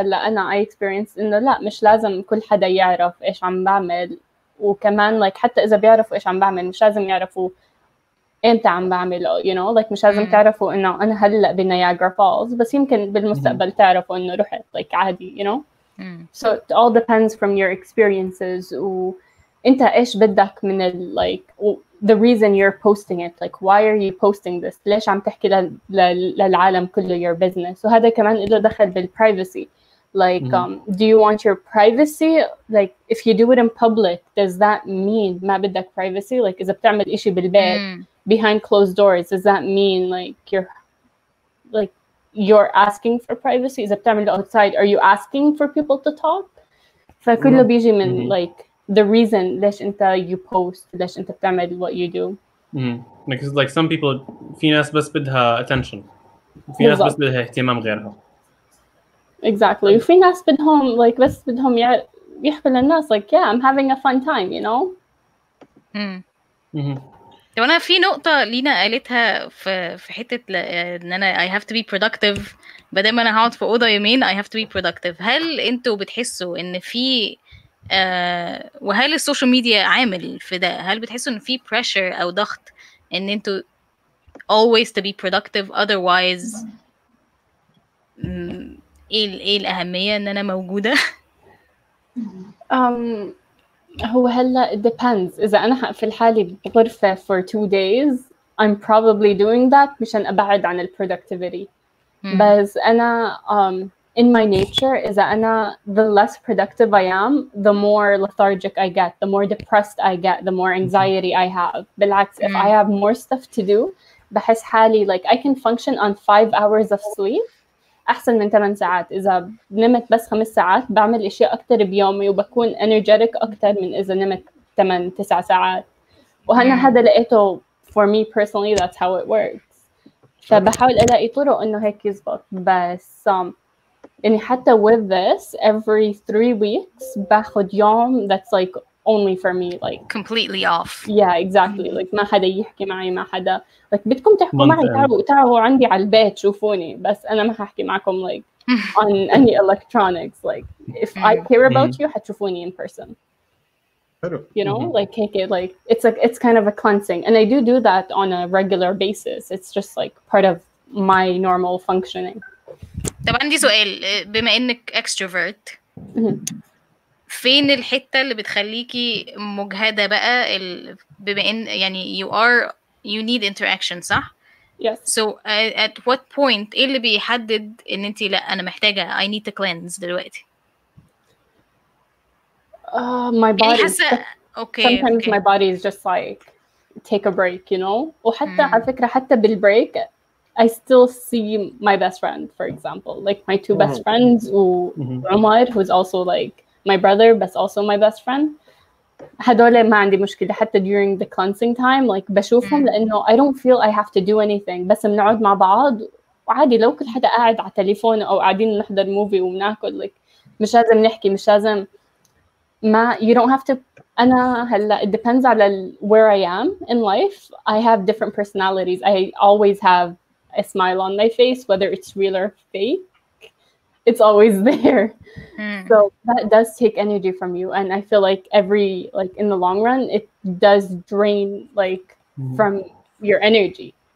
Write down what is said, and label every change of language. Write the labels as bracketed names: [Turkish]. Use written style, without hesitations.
[Arabic] هلا انا اي اكسبيرينس انه لا مش لازم كل حدا يعرف ايش عم بعمل, وكمان like حتى اذا بيعرفوا ايش عم بعمل مش لازم يعرفوا امتى عم بعمله, [English] you know, like [Arabic] مش لازم تعرفوا انه انا هلا بنياجرا فولز بس يمكن بالمستقبل تعرفوا انه رحت like عادي, you know. [English] So it all depends from your experiences وانت ايش بدك من ال like the reason you're posting it, like why are you posting this, [Arabic] ليش عم تحكي للعالم كله [English] your business. وهذا كمان له دخل بالprivacy, like do you want your privacy, like if you do it in public does that mean [Arabic] ما بدك privacy, [English] like [Arabic] إذا بتعمل إشي بالبيت [English] behind closed doors does that mean like you're asking for privacy, إذا بتعمل outside are you asking for people to talk. [Arabic] فكله بيجي من [English] like the reason [Arabic] ليش انت you post, ليش انت بتعمل [English] what you do. Because like some people, [Arabic] في ناس بس بدها attention, في ناس بس بدها اهتمام غيرها. [English] Exactly. وفي ناس بدهم like بس بدهم يحكوا للناس like yeah I'm having a fun time, you know. [Arabic] طب أنا في نقطة لينا قالتها في حتة إن أنا [English] I have to be productive, [Arabic] بدل ما أنا هقعد في أوضة يومين I have to be productive. هل أنتوا بتحسوا إن في وهل السوشيال ميديا عامل في ده, هل بتحسوا إن في pressure أو ضغط إن أنتوا [English] always to be productive [Arabic] otherwise إيه الأهمية إن أنا موجودة؟ هو هلا it depends. إذا أنا هقفل حالي بغرفة [English] for 2 days I'm probably doing that [Arabic] مشان أبعد عن productivity. بس أنا [English] in my nature إذا أنا the less productive I am the more lethargic I get, the more depressed I get, the more anxiety I have. بالعكس if I have more stuff to do [Arabic] بحس حالي [English] like I can function on 5 hours of sleep [Arabic] أحسن من 8 ساعات. إذا نمت بس 5 ساعات بعمل إشياء أكتر بيومي وبكون energetic أكتر من إذا نمت 8-9 ساعات. وأنا هذا لقيته [English] for me personally that's how it works. [Arabic] فبحاول ألاقي طرق إنه هيك يزبط. بس يعني حتى [English] with this every 3 weeks بأخذ يوم that's like only for me like completely off. Yeah exactly. [Arabic] Like ما حدا يحكي معي, ما حدا like بدكم تحكوا معي تعالوا عندي على البيت شوفوني, بس أنا ما هحكي معكم [English] like on any electronics. Like if I care about you [Arabic] حتشوفوني [English] in person. You know like it's like it's kind of a cleansing and I do that on a regular basis. It's just like part of my normal functioning. [Arabic] طب عندي سؤال, بما انك اكستروفرت فين الحتة اللي بتخليكي مجهدة بقى بما ان يعني [English] you need interaction [Arabic] صح؟ [English] yes. So at what point [Arabic] ايه اللي بيحدد ان انت لا انا محتاجة [English] I need to cleanse [Arabic] دلوقتي؟ [English] my body [Arabic] يعني حسة... okay, [English] sometimes okay. my body is just like take a break, you know. [Arabic] وحتى على فكرة حتى [English] بالbreak I still see my best friend, for example, like my two best friends, Umar, who's also like my brother, but also my best friend. [Arabic] هدول ما عندي مشكلة حتى [English] during the cleansing time, like بشوفهم لأنه I don't feel I have to do anything. [Arabic] بس منعود مع بعض وعادي لو كل حدا قاعد على تليفون أو قاعدين نحضر موفي ومناكل, like مش لازم نحكي, مش لازم ما [English] you don't have to. أنا هلا it depends على where I am in life. I have different personalities. I always have a smile on my face, whether it's real or fake, it's always there. So that does take energy from you, and I feel like every like in the long run, it does drain like from your energy.